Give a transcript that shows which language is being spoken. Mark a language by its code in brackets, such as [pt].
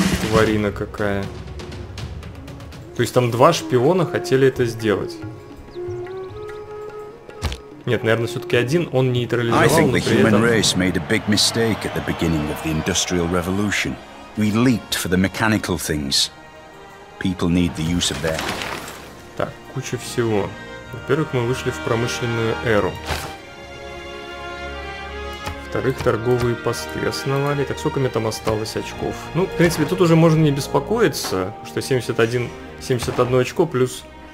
[ru] Тварина какая. То есть там 2 шпиона хотели это сделать. Нет, наверное, все-таки один он нейтрализовал, но при этом... Я думаю, что человеческая раса индустриальной революции. [en] We leaped for the mechanical things. People need the use of their... [ru] Так, куча всего. Во-первых, мы вышли в промышленную эру. Во-вторых, торговые посты основали. Так, сколько мне там осталось очков? Ну, в принципе, тут уже можно не беспокоиться, что 71 очко плюс...